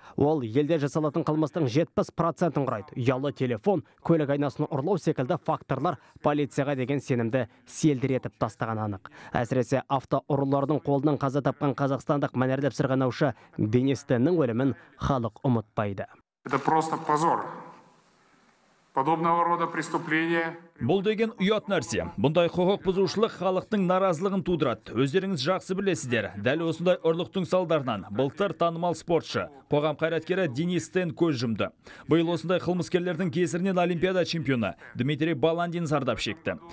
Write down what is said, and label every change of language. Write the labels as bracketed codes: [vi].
[kk] Ол елде жасалатын қылмыстың 70%-ын құрайды. Ұялы телефон, көлік айнасын ұрлау секілді факторлар полицияға деген сенімді селдіретіп тастаған анық. Әсіресе автоұрылардың қолынан қаза тапқан қазақстандық мәнерлеп сырғанаушы Денистеннің өлімін халық ұмытпайды. [ru] Это просто позор. Подобного рода преступления. [kk] Бұл деген ұят нәрсе. Бұндай құқық бұзушылық халықтың наразылығын тудырады. Өздеріңіз жақсы білесіздер. Дәл осындай ұрлықтың салдарынан былтыр танымал спортшы, қоғам қайраткері Денис Тен көз жұмды. Биыл осындай қылмыскерлердің кесірінен олимпиада чемпионы Дмитрий Баландин зардап шекті.